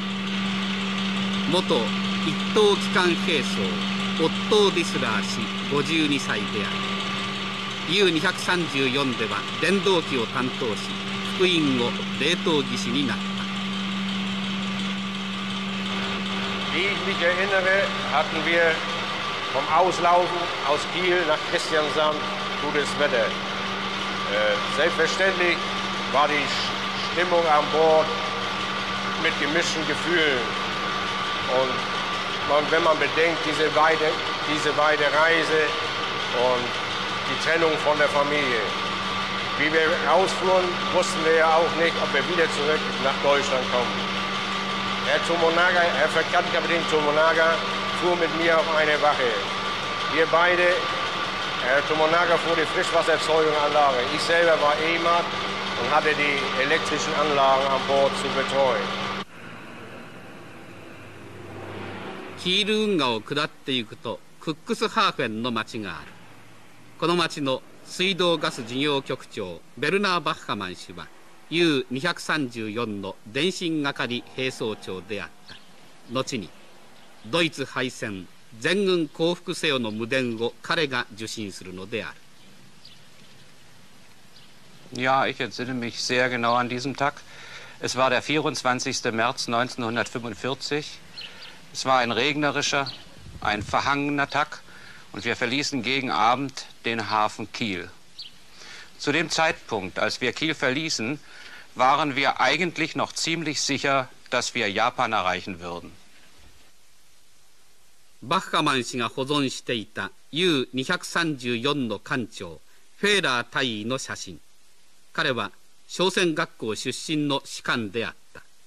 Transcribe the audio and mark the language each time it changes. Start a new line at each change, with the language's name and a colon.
Japanese: 元一等機関兵曹オットー・ディスラー氏52歳である。 U-234 では電動機を担当し副員後冷凍技師になった。
German: Wie ich mich erinnere, hatten wir vom Auslaufen aus Kiel nach Kristiansand gutes Wetter. Selbstverständlich war die Stimmung an Bord mit gemischten Gefühlen. Und man, wenn man bedenkt, diese weite Reise und die Trennung von der Familie. Wie wir rausfuhren, wussten wir ja auch nicht, ob wir wieder zurück nach Deutschland kommen. Herr Fregattenkapitän Tomonaga fuhr mit mir auf eine Wache. Wir beide... Herr Tomonaga fuhr die Frischwassererzeugungsanlage. Ich selber war E-Mat und hatte die elektrischen Anlagen an Bord zu betreuen.
Japanese: Kiel 運河を下っていくとクックスハーフェンの町がある。この町の水道ガス事業局長ベルナー・バッハマン氏は U-234 の電信係兵曹長であった。後にドイツ敗戦全軍降伏せよの無電を彼が受信するのである。
German: Ja, ich erinnere mich sehr genau an diesen Tag. Es war der 24. März 1945. Es war ein regnerischer, ein verhangener Tag und wir verließen gegen Abend den Hafen Kiel. Zu dem Zeitpunkt, als wir Kiel verließen, waren wir eigentlich noch ziemlich sicher, dass wir Japan erreichen würden.
Japanese: バッハマン氏が保存していた U-234 の艦長フェーラー大尉の写真。彼は商船学校出身の士官であった。